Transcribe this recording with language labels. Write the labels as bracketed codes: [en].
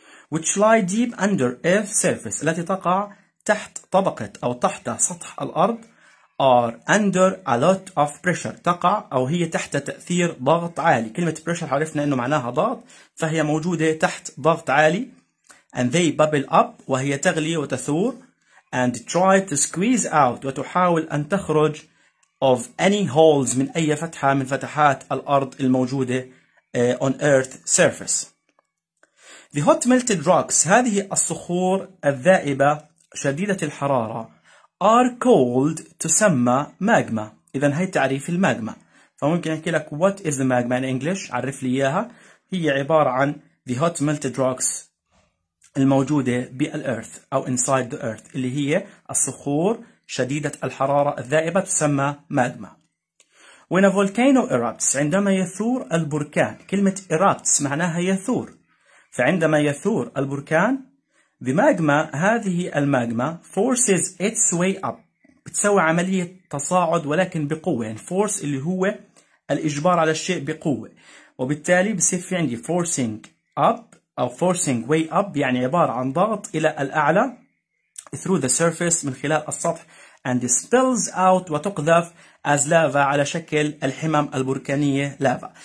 [en] Which lie deep under Earth's surface [ar] التي تقع تحت طبقة أو تحت سطح الأرض. [en] Are under a lot of pressure [ar] تقع أو هي تحت تأثير ضغط عالي. كلمة pressure عرفنا أنه معناها ضغط، فهي موجودة تحت ضغط عالي. [en] And they bubble up [ar] وهي تغلي وتثور. [en] And try to squeeze out [ar] وتحاول أن تخرج [en] of any holes [ar] من أي فتحة من فتحات الأرض الموجودة [en] on Earth's surface. The hot melted rocks [ar] هذه الصخور الذائبة شديدة الحرارة [en] are cold [ar] تسمى ماجما. إذا هي تعريف الماجما، فممكن أحكي لك [en] what is the magma in English، [ar] عرف لي إياها. هي عبارة عن [en] the hot melted rocks [ar] الموجودة بالأرث أو [en] inside the earth [ar] اللي هي الصخور شديدة الحرارة الذائبة تسمى ماجما. [en] When a volcano erupts [ar] عندما يثور البركان. كلمة erupts معناها يثور، فعندما يثور البركان بماجما هذه الماجما [en] forces its way up [ar] بتسوي عملية تصاعد ولكن بقوة، يعني force اللي هو الإجبار على الشيء بقوة، وبالتالي بصير في عندي forcing up أو [en] forcing way up [ar] يعني عبارة عن ضغط إلى الأعلى [en] through the surface [ar] من خلال السطح [en] and spills out [ar] وتقذف [en] as lava [ar] على شكل الحمم البركانية lava.